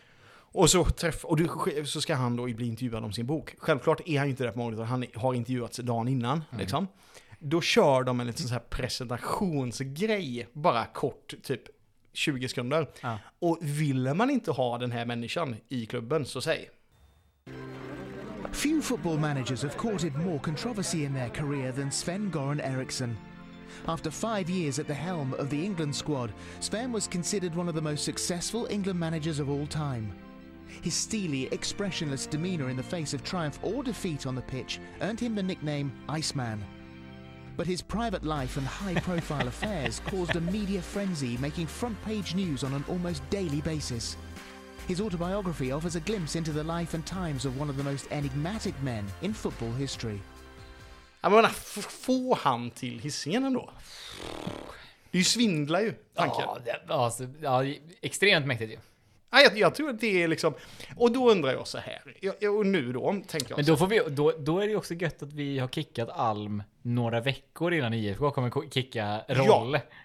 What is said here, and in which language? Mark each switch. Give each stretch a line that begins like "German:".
Swedish: Och så ska han då bli intervjuad om sin bok. Självklart är han ju inte där på morgonen, han har intervjuats dagen innan. Mm. Liksom. då kör de en liten så här presentationsgrej, bara kort, typ 20 sekunder. Ja. Och vill man inte ha den här människan i klubben, så säg.
English: Few football managers have courted more controversy in their career than Sven-Göran Eriksson. After 5 years at the helm of the England squad, Sven was considered one of the most successful England managers of all time. His steely, expressionless demeanor in the face of triumph or defeat on the pitch earned him the nickname Iceman. But his private life and high-profile affairs caused a media frenzy, making front-page news on an almost daily basis. His autobiography offers a glimpse into the life and times of one of the most enigmatic men in football history.
Swedish: Jag menar, få han till Hisingen ändå. Det är ju svindlar ju, tanken. Ja, det, alltså, ja, extremt mäktigt ju. Ja, jag tror att det är liksom... Och då undrar jag så här. Och nu då, tänker jag. Men då, får vi, då är det ju också gött att vi har kickat Alm några veckor innan IFK kommer kicka roll.